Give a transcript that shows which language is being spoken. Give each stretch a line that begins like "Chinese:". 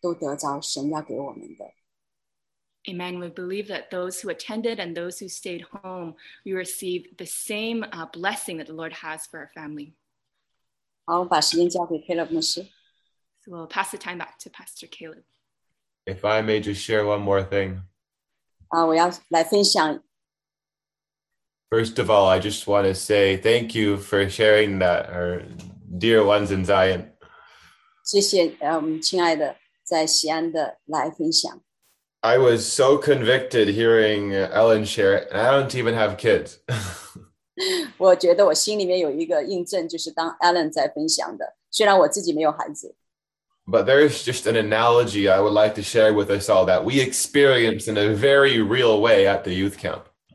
Chinese: 我们相信我们去的和在家里的都同样的在这个家中都得着神要给我们的。
English: Amen. We believe that those who attended and those who stayed home, we receive the same blessing that the Lord has for our family.
Chinese: 好，我把时间交给Caleb牧师。
English: So we'll pass the time back to Pastor Caleb. If I may just share one more thing.
Chinese: 我要来分享。
English: First of all, I just want to say thank you for sharing that, our dear ones in Zion.
Chinese: 谢谢亲爱的在西安的来分享。
English: I was so convicted hearing Ellen share it, and I don't even have kids.
Chinese: 我觉得我心里面有一个印证，就是当Ellen在分享的，虽然我自己没有孩子。
English: But there is just an analogy I would like to share with us all that we experience in a very real way at the youth camp.